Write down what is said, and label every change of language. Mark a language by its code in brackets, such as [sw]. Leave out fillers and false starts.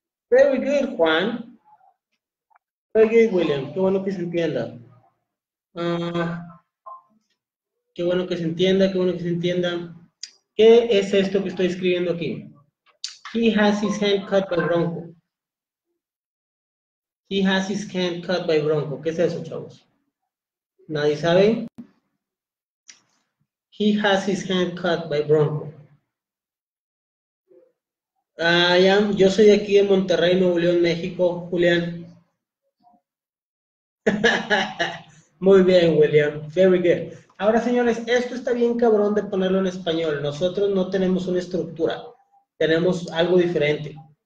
[en] Very good, Juan. Very good, William. [es] Qué bueno que se entienda. Qué bueno que se entienda, qué bueno que se entienda. ¿Qué es esto que estoy escribiendo aquí? [en] He has his hand cut by Bronco. He has his hand cut by Bronco. [es] ¿Qué es eso, chavos? Nadie sabe. [en] He has his hand cut by Bronco. [es] Yo soy aquí en Monterrey, Nuevo León, México, Julián. Muy bien, William. [en] Very good. [es] Ahora, señores, esto está bien cabrón de ponerlo en español. Nosotros no tenemos una estructura. Tenemos algo diferente.